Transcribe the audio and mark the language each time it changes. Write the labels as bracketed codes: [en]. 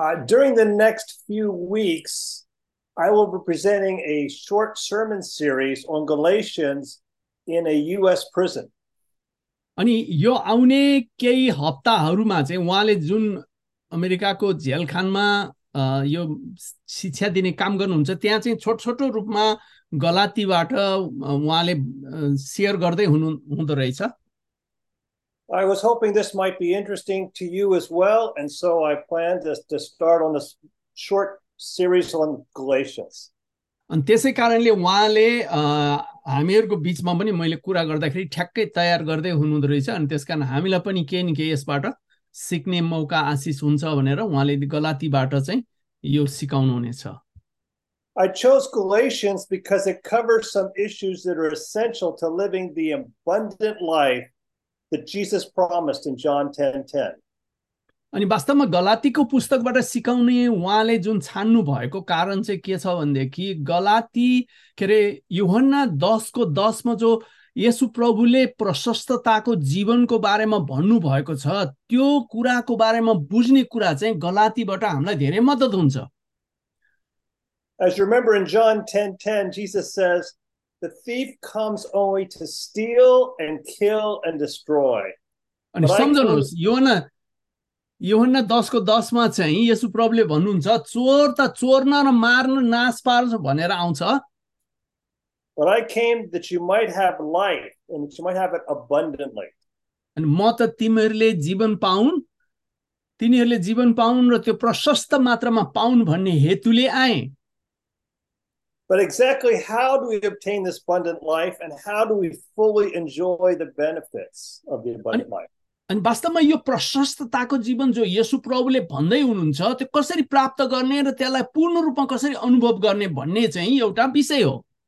[en] During the next few weeks, I will be presenting a short sermon series on Galatians in a U.S. prison. [ne] अनि यो आउने केही हप्ताहरूमा चाहिँ उहाँले जुन अमेरिकाको जेलखानमा यो शिक्षा दिने काम गर्नुहुन्छ त्यहाँ चाहिँ छोटो छोटो रूपमा गलातीबाट उहाँले सेयर गर्दै हुनु हुँदो रहेछ। [en] I was hoping this might be interesting to you as well, and so I plan to start on this short series on Galatians. [ne] अनि त्यसै कारणले उहाँले हामीहरूको बिचमा पनि मैले कुरा गर्दाखेरि ठ्याक्कै तयार गर्दै हुनुहुँदो रहेछ अनि त्यस कारण हामीलाई पनि केही न केही यसबाट सिक्ने मौका आशिष हुन्छ भनेर उहाँले गलातीबाट चाहिँ यो सिकाउनु हुनेछ। [en] I chose Galatians because it covers some issues that are essential to living the abundant life that Jesus promised in John 10:10. [ne] अनि वास्तवमा गलातीको पुस्तकबाट सिकाउने उहाँले जुन छान्नु भएको कारण चाहिँ के छ भनेदेखि गलाती के अरे युहन्ना 10:10 जो येशु प्रभुले प्रशस्तताको जीवनको बारेमा भन्नुभएको छ त्यो कुराको बारेमा बुझ्ने कुरा चाहिँ गलातीबाट हामीलाई धेरै मद्दत हुन्छ। [en] As you remember in John 10:10, Jesus says, "The thief comes only to steal and kill and destroy. अनि But I came." [ne] सम्झनुहोस् योहन्ना 10:10 चाहिँ येशु प्रभुले भन्नुहुन्छ चोर त चोर्न र मार्न नाश पार्छ भनेर आउँछ। [en] "But I came that you might have life and that you might have it abundantly." [ne] अनि म त तिमीहरूले जीवन पाउन् तिनीहरूले जीवन पाउन् र त्यो प्रशस्त मात्रामा पाउन् भन्ने हेतुले आएँ। [en] But exactly how do we obtain this abundant life, and how do we fully enjoy the benefits of the abundant life? [ne] अनि वास्तवमा यो प्रशस्तताको जीवन जो येशु प्रभुले भन्दै हुनुहुन्छ त्यो कसरी प्राप्त गर्ने र त्यसलाई पूर्ण रूपमा कसरी अनुभव गर्ने भन्ने चाहिँ एउटा विषय हो।